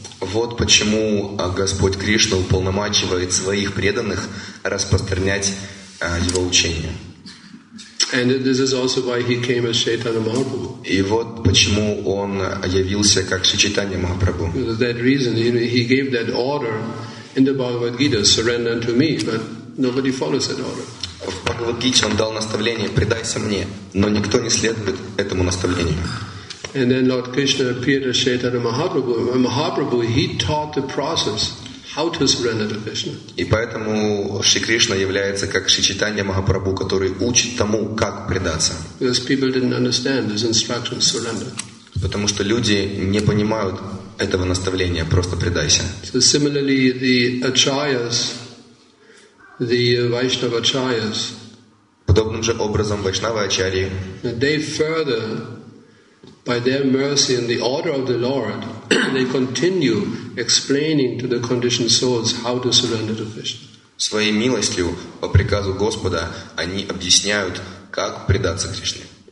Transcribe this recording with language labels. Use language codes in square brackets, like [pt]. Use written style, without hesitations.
[ru] Вот почему Господь Кришна уполномачивает своих преданных распространять его учение. [en] And this is also why he came as Chaitanya Mahaprabhu. [ru] И вот почему он явился как Шри Чайтанья Махапрабху. [en] For that reason, he gave that order in the Bhagavad Gita, surrender unto me, but nobody follows that order. [ru] В Бхагавад Гите он дал наставление: предайся мне, но никто не следует этому наставлению. [en] And then Lord Krishna appeared as Chaitanya Mahaprabhu. And Mahaprabhu, he taught the process how to surrender to Krishna. [ru] И поэтому Шри Кришна является как Шри Чайтанья Махапрабху, который учит тому, как предаться. [en] Because people didn't understand this instruction, surrender. [ru] Потому что люди не понимают этого наставления, просто предайся. [en] So similarly, the acharyas, the Vaishnava acharyas. [ru] Подобным же образом Вайшнава ачарьи. [en] They further. By their mercy and the order of the Lord, they continue explaining to the conditioned souls how to surrender to Krishna. [ru] Своей милостью, по приказу Господа, они объясняют, как предаться Кришне.